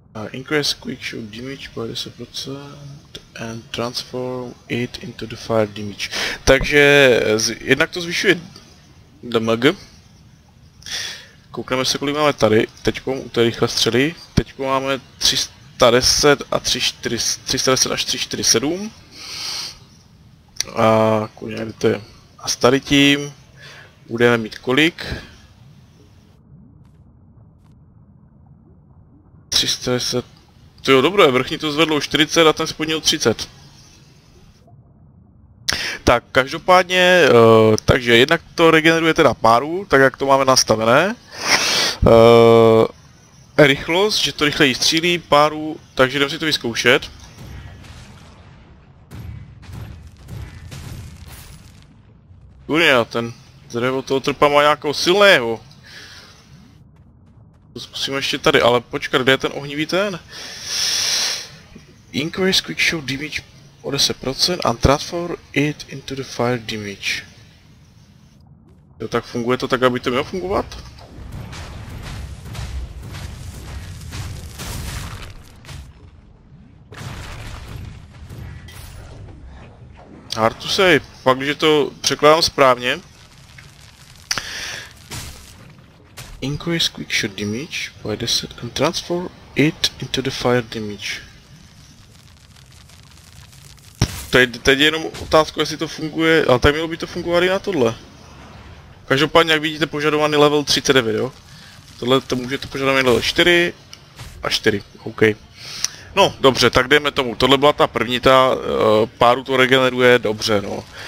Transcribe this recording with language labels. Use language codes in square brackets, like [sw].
[en] Increase quick shot damage by 10% and transform it into the fire damage. [cs] Takže jednak to zvyšuje damage. Koukneme se, kolik máme tady, teďko u té rychlé střely, teďko máme 310 až 347. A tady tím budeme mít kolik? 310, to jo, dobré, vrchní to zvedlo 40 a ten spodní 30. Tak, každopádně, takže jednak to regeneruje teda páru, tak jak to máme nastavené. Rychlost, že to rychleji střílí, páru, takže jdem si to vyzkoušet. Kurňa, ten Drevo toho trpa má nějakou silného. To zkusím ještě tady, ale počkat, kde je ten ohnivý ten? [en] Increase quick shot damage o 10% and transfer it into the fire damage. [cs] Jo, tak funguje to tak, aby to mělo fungovat? [en] Hard to say, [cs] pak když to překládám správně. [en] Increase quick shot damage by 10 and transfer it into the fire damage. [cs] Teď je jenom otázka, jestli to funguje, ale tady mělo by to fungovat i na tohle. Každopádně, jak vidíte, požadovaný level 39, jo? Tohle to můžete požadovat level 4 a 4, OK. No, dobře, tak dejme tomu, tohle byla ta první, ta páru to regeneruje, dobře, no.